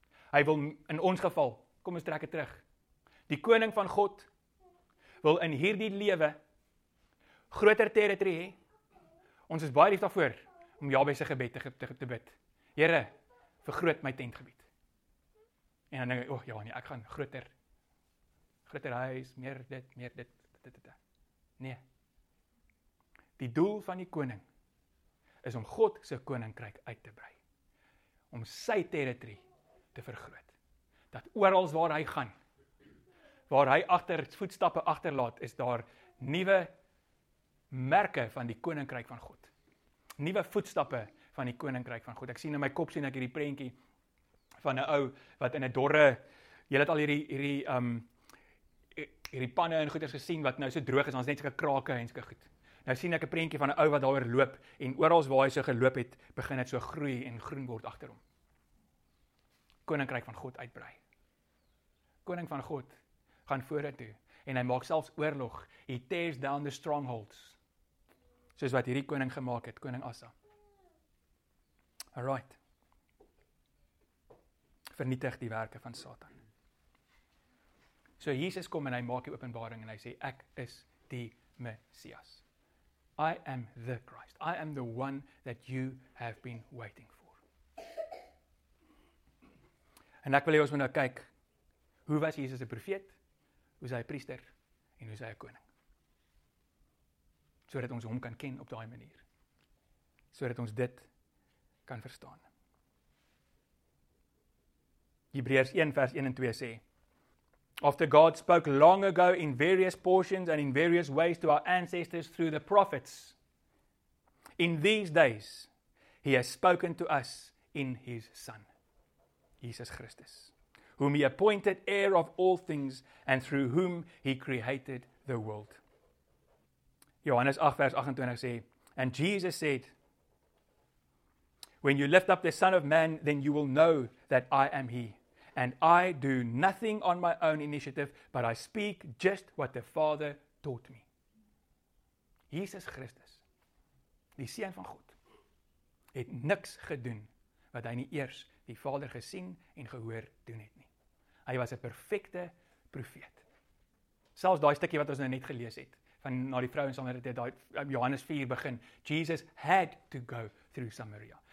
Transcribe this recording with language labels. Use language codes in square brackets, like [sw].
[af] Hy wil in ons geval, kom ons trek dit terug. Die koning van God wil in hierdie lewe groter territory hê. Ons is baie lief daarvoor om Jabes se gebed te bid. Here, vergroot my tentgebied. En dan denk ek, oh ja, nee, ek gaan groter huis, meer dit. Nee. Die doel van die koning is om God se koninkryk uit te brei. Om sy territory te vergroot. Dat oral waar hy gaan, waar hy agter voetstappe agterlaat, is daar nuwe merke van die koninkryk van God. Nuwe voetstappe van die koninkryk van God. Ek sien in my kop, sien ek hierdie prentjie, van 'n ou wat in 'n dorre, jy het al hierdie panne en goeders gesien wat nou so droog is, ons net sulke krake en sulke goed. Nou sien ek 'n prentjie van 'n ou wat daaroor loop en oral waar hy so geloop het, begin dit so groei en groen word agter hom. Koninkryk van God uitbrei. Koning van God gaan vorentoe en hy maak selfs oorlog. [en] He tears down the strongholds. [af] Soos wat hierdie koning gemaak het, koning Asa. [en] All right. [af] vernietig die werke van Satan. So Jesus kom en hy maak die openbaring en hy sê, ek is die Messias. [en] I am the Christ. I am the one that you have been waiting for. [af] En ek wil jy ons moet nou kyk, hoe was Jesus 'n profeet, hoe is hy 'n priester, en hoe is hy 'n koning? So dat ons hom kan ken op daai manier. So dat ons dit kan verstaan. Hebreërs 1 vers 1 en 2 sê, [en] After God spoke long ago in various portions and in various ways to our ancestors through the prophets, in these days he has spoken to us in his Son, Jesus Christus, whom he appointed heir of all things and through whom he created the world. [af] Johannes 8 vers 28 sê, [en] And Jesus said, When you lift up the Son of Man, then you will know that I am he. And I do nothing on my own initiative, but I speak just what the Father taught me. [af] Jesus Christus, die Seun van God, het niks gedoen wat hy nie eers die Vader gesien en gehoor doen het nie. Hy was 'n perfekte profeet. Selfs daai stukkie wat ons nou net gelees het, van na die vrou in Samaria, daai Johannes 4 begin, [en] Jesus had to go through Samaria.